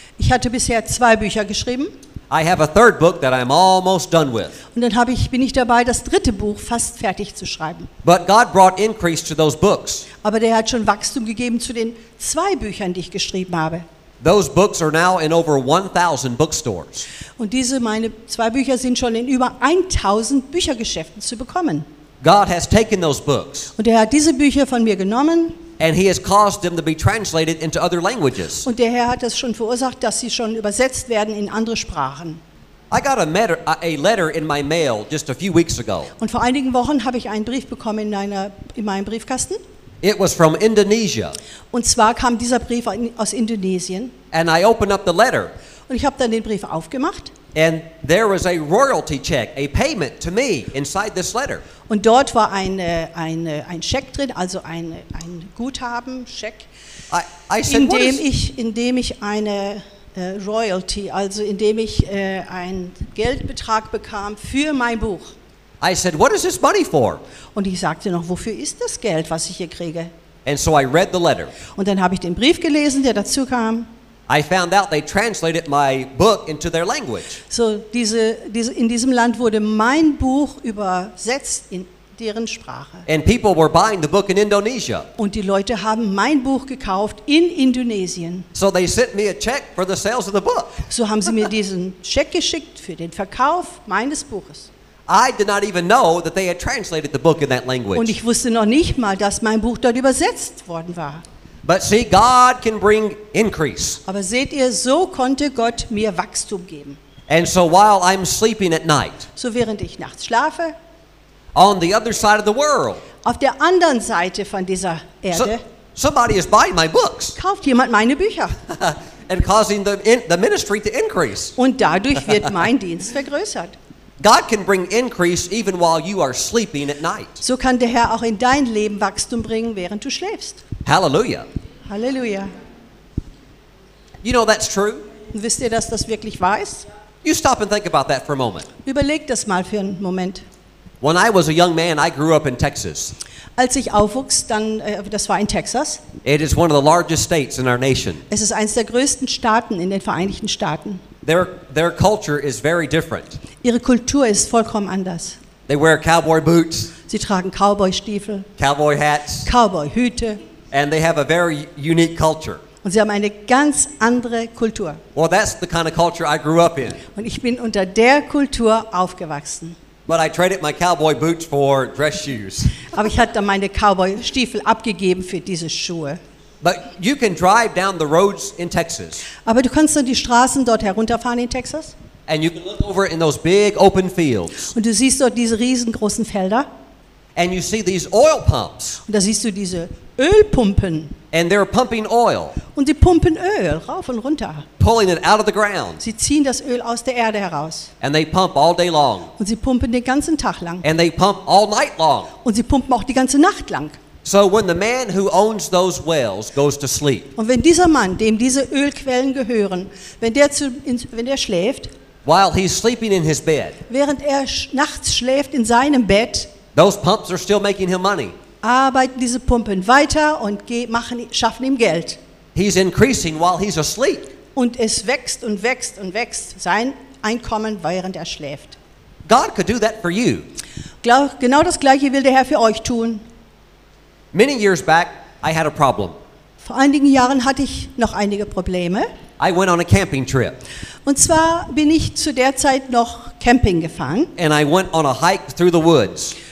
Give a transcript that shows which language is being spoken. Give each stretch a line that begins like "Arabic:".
German: Ich hatte bisher zwei Bücher geschrieben.
English: I have a third book that I'm almost done with.
German: Und dann bin ich dabei, das dritte Buch fast fertig zu schreiben.
English: But God brought increase to those books.
German: Aber der hat schon Wachstum gegeben zu den zwei Büchern, die ich geschrieben habe.
English: Those books are now in over 1,000 bookstores.
German: Und diese meine zwei Bücher sind schon in über 1,000 Büchergeschäften zu bekommen.
English: God has taken those books.
German: Und er hat diese Bücher von mir genommen.
English: And he has caused them to be translated into other languages.
German: Und der Herr hat das schon verursacht, dass sie schon übersetzt werden in andere Sprachen.
English: I got a letter in my mail just a few weeks ago.
German: Und vor einigen Wochen habe ich einen Brief bekommen in meinem Briefkasten.
English: It was from Indonesia.
German: Und zwar kam dieser Brief aus Indonesien.
English: And I opened up the letter.
German: Und ich habe dann den Brief aufgemacht.
English: And there was a royalty check, a payment to me inside this letter.
German: Und dort war ein Scheck drin, also ein Guthabenscheck, in dem ich eine Royalty, also in dem ich einen Geldbetrag bekam für mein Buch.
English: I said, what is this money for?
German: Und ich sagte noch, wofür ist das Geld, was ich hier kriege?
English: And so I read the letter.
German: Und dann habe ich den Brief gelesen, der dazu kam.
English: I found out they translated my book into their language.
German: So diese in diesem Land wurde mein Buch übersetzt in deren Sprache.
English: And people were buying the book in Indonesia.
German: Und die Leute haben mein Buch gekauft in Indonesien.
English: So they sent me a check for the sales of the book.
German: So haben sie mir diesen Scheck geschickt für den Verkauf meines Buches.
English: I did not even know that they had translated the book in that language.
German: Und ich wusste noch nicht mal, dass mein Buch dort übersetzt worden war.
English: But see, God can bring increase.
German: Aber seht ihr, so konnte Gott mir Wachstum geben.
English: And so while I'm sleeping at night.
German: So während ich nachts schlafe.
English: On the other side of the world.
German: Auf der anderen Seite von dieser Erde.
English: So, somebody is buying my books.
German: Kauft jemand meine Bücher.
English: And causing the ministry to increase.
German: Und dadurch wird mein Dienst vergrößert.
English: God can bring increase even while you are sleeping at night.
German: So kann der Herr auch in dein Leben Wachstum bringen, während du schläfst.
English: Hallelujah.
German: Hallelujah.
English: You know that's true?
German: Wisst ihr, dass das wirklich wahr ist?
English: You stop and think about that for a moment.
German: Überleg das mal für einen Moment.
English: When I was a young man, I grew up in Texas.
German: Als ich aufwuchs, dann das war in Texas.
English: It is one of the largest states in our nation.
German: Es ist eines der größten Staaten in den Vereinigten Staaten.
English: Their culture is very different.
German: Ihre Kultur ist vollkommen anders.
English: They wear cowboy boots.
German: Sie tragen Cowboy-Stiefel.
English: Cowboy hats.
German: Cowboy-Hüte.
English: And they have a very unique culture.
German: Und sie haben eine ganz andere Kultur.
English: Well, that's the kind of culture I grew up in.
German: Und ich bin unter der Kultur aufgewachsen.
English: But I traded my cowboy boots for dress shoes.
German: Aber ich hatte meine Cowboy-Stiefel abgegeben für diese Schuhe.
English: But you can drive down the roads in Texas.
German: Aber du kannst dann die Straßen dort herunterfahren in Texas.
English: And you can look over in those big open fields.
German: Und du siehst dort diese riesengroßen Felder.
English: And you see these oil pumps.
German: Und da siehst du diese Ölpumpen.
English: And they're pumping oil.
German: Und sie pumpen Öl rauf und runter.
English: Pulling it out of the ground.
German: Sie ziehen das Öl aus der Erde heraus.
English: And they pump all day long.
German: Und sie pumpen den ganzen Tag lang.
English: And they pump all night long.
German: Und sie pumpen auch die ganze Nacht lang.
English: So when the man who owns those wells goes to sleep.
German: Und wenn dieser Mann, dem diese Ölquellen gehören, wenn der schläft,
English: while he's sleeping in his bed.
German: Während er nachts schläft in seinem Bett.
English: Those pumps are still making him money.
German: Arbeiten diese Pumpen weiter und schaffen ihm Geld.
English: He's increasing while he's asleep.
German: Und es wächst und wächst und wächst sein Einkommen, während er schläft.
English: God could do that for you.
German: Genau das Gleiche will der Herr für euch tun.
English: Many years back, I had a problem.
German: Vor einigen Jahren hatte ich noch einige Probleme.
English: I went on a camping trip.
German: Und zwar bin ich zu der Zeit noch Camping gefahren.
English: And I went on a hike through the woods.